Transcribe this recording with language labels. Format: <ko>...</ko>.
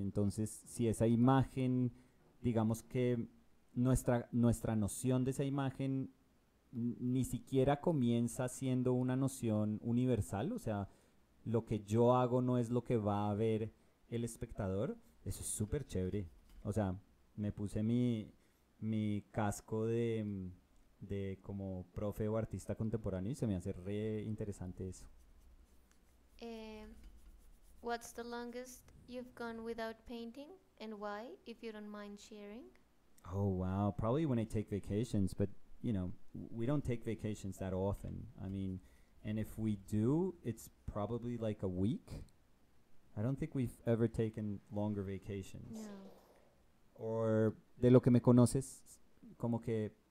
<es>Entonces, si esa imagen, digamos que nuestra noción de esa imagen ni siquiera comienza siendo una noción universal, o sea, lo que yo hago no es lo que va a ver el espectador, eso es súper chévere. O sea, me puse mi casco de como profe o artista contemporáneo y se me hace re interesante eso.</es> <en>What's the longest you've gone without painting and why, if you don't mind sharing? Oh, wow. Probably when I take vacations, but, you know, we don't take vacations that often. I mean, and if we do, it's probably like a week. I don't think we've ever taken longer vacations. No.</en> <es>Or de lo que me conoces, como que...</es>